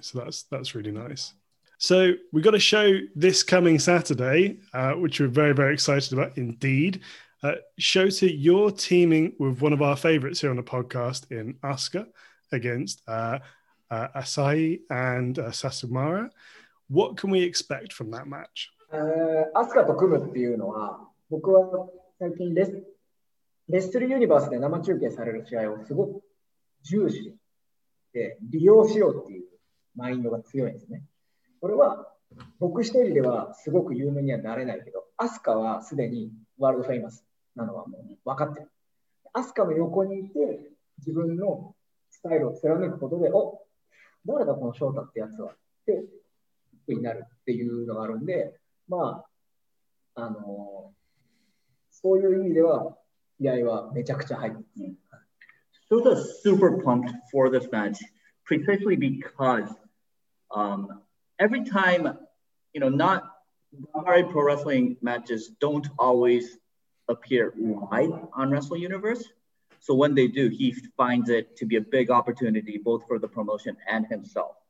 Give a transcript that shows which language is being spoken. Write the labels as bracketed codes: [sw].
[en] So that's really nice. So we've got a show this coming Saturday, which we're very, very excited about indeed. Shota, you're teaming with one of our favorites here on the podcast in Asuka against Asai and Sasumara. What can we expect from that match? [ja] Asuka to kumu っていうのは、僕は最近レスルユニバースで生中継される試合をすごく重視で利用しようっていうマインドが強いんですね。これは僕一人ではすごく有名にはなれないけど、アスカはすでにワールドフェイマスなのはもう分かってる。アスカの横にいて自分のスタイルを貫くことで、お、誰だこのショータってやつはってになるっていうのがあるんで、まあそういう意味では気合はめちゃくちゃ入ってる。 [en] Shota is super pumped for this match, precisely because every time, you know, not Ganbare Pro Wrestling matches don't always appear live on Wrestling Universe. So when they do, he finds it to be a big opportunity both for the promotion and himself.